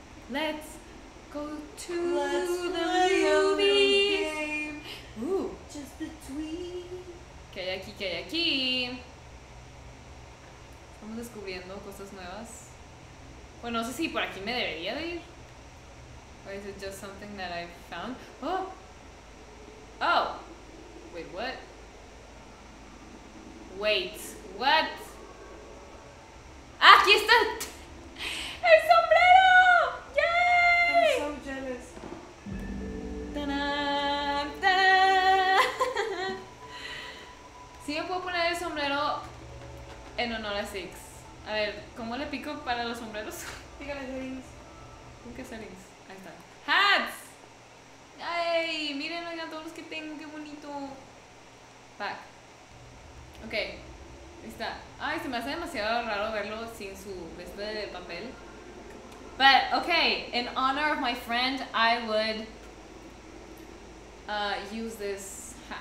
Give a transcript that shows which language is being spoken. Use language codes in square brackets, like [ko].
[en] Let's go to the movies. Just between. [es] ¿Qué hay aquí? Estamos descubriendo cosas nuevas. Bueno, no sé si por aquí me debería de ir. [en] Or is it just something that I found? Oh! Wait, what? [es] ¡Aquí está! ¡El sombrero! ¡Yay! [en] I'm so jealous. ¡Ta-da! [es] Sí, me puedo poner el sombrero en honor a Six. A ver, ¿cómo le pico para los sombreros? Pícale Serings. ¿Cómo que Serings? Ahí está. ¡Hats! ¡Ay! Miren, oigan, todos los que tengo, qué bonito. Pack. Ok. Ahí está. Ay, se me hace demasiado raro verlo sin su vestido de papel. [en] But, ok, in honor of my friend, I would use this.